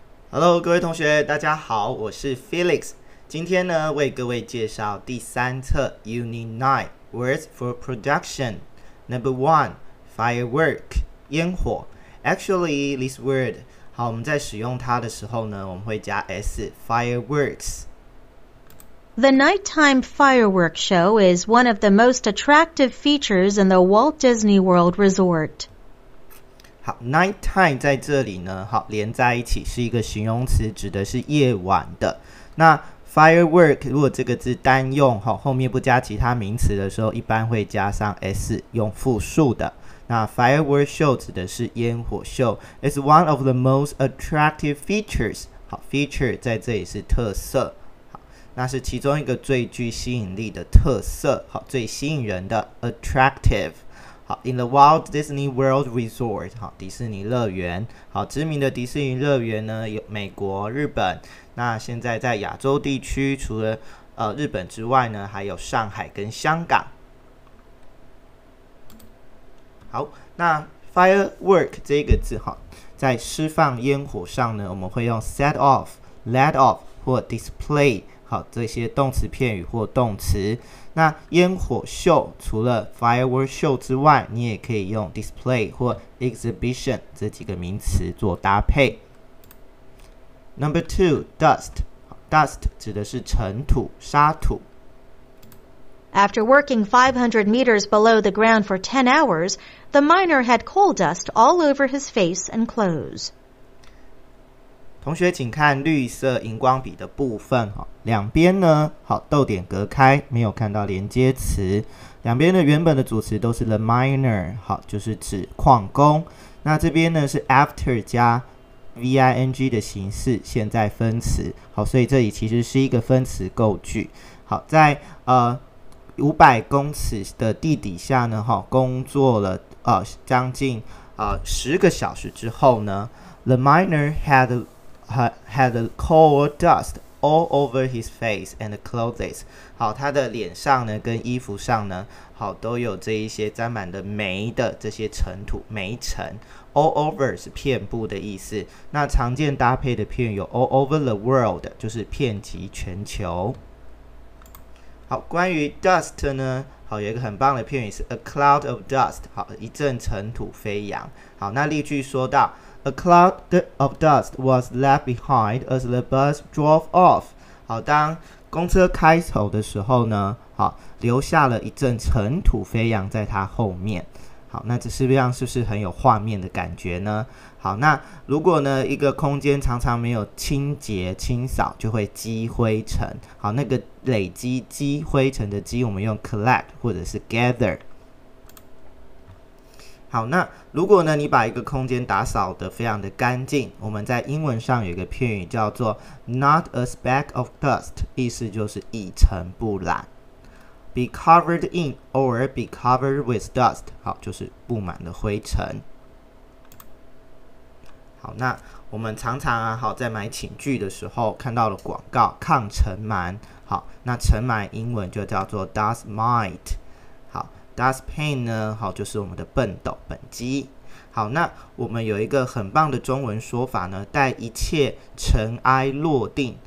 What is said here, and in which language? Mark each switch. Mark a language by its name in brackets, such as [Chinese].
[Chinese] Hello， 各位同学，大家好，我是 Felix。今天呢，为各位介绍第三册 Unit 9 Words for Production。 [English] Number 1 Firework 烟火。 Actually, this word [Chinese] 好，我们在使用它的时候呢，我们会加 s fireworks。 [English] The nighttime firework show is one of the most attractive features in the Walt Disney World Resort. [Chinese] 好 ，nighttime 在这里呢，好连在一起是一个形容词，指的是夜晚的。那 firework 如果这个字单用，好后面不加其他名词的时候，一般会加上 s 用复数的。那 firework show 指的是烟火秀 ， [English] is one of the most attractive features [Chinese] 好。好 ，feature 在这里是特色，好，那是其中一个最具吸引力的特色，好最吸引人的 attractive。好 ， [English] In the Walt Disney World Resort， [Chinese] 好，迪士尼乐园，好，知名的迪士尼乐园呢，有美国、日本，那现在在亚洲地区，除了日本之外呢，还有上海跟香港。好，那 firework 这个字哈，在释放烟火上呢，我们会用 set off、let off 或 display。好，这些动词片语或动词。那烟火秀除了 firework show 之外，你也可以用 display 或 exhibition 这几个名词做搭配。 [English] Number two, dust. [Chinese] Dust 指的是尘土、沙土。 [English] After working 500 meters below the ground for 10 hours, the miner had coal dust all over his face and clothes. [Chinese] 同学请看绿色荧光笔的部分，两边呢好逗点隔开，没有看到连接词，两边的原本的主词都是 the miner， 好就是指矿工，那这边呢是 after 加 ving 的形式，现在分词，好所以这里其实是一个分词构句。好，在500公尺的地底下呢，好工作了将近10个小时之后呢， [English] the miner had coal dust all over his face and clothes. [Chinese] 好，他的脸上呢跟衣服上呢，好都有这一些沾满的煤的这些尘土、煤尘。 All over 是遍布的意思。那常见搭配的片有 [English] all over the world， [Chinese] 就是遍及全球。好，关于 dust 呢，好有一个很棒的片语是 [English] a cloud of dust， [Chinese] 好一阵尘土飞扬。好，那例句说到。 [English] A cloud of dust was left behind as the bus drove off. [Chinese] 好，当公车开走的时候呢，好，留下了一阵尘土飞扬在它后面。好，那这是不是很有画面的感觉呢？好，那如果呢一个空间常常没有清洁清扫，就会积灰尘。好，那个累积积灰尘的积，我们用 collect 或者是 gather。好，那如果呢你把一个空间打扫得非常的干净，我们在英文上有一个片语叫做 [English] not a speck of dust， [Chinese] 意思就是一尘不染。 [English] be covered in or be covered with dust， [Chinese] 好就是布满了灰尘。好，那我们常常啊好在买寝具的时候看到了广告抗尘螨，好那尘螨英文就叫做 dust mite。 Dust pane 呢，好，就是我们的笨斗、本机。好，那我们有一个很棒的中文说法呢，待一切尘埃落定。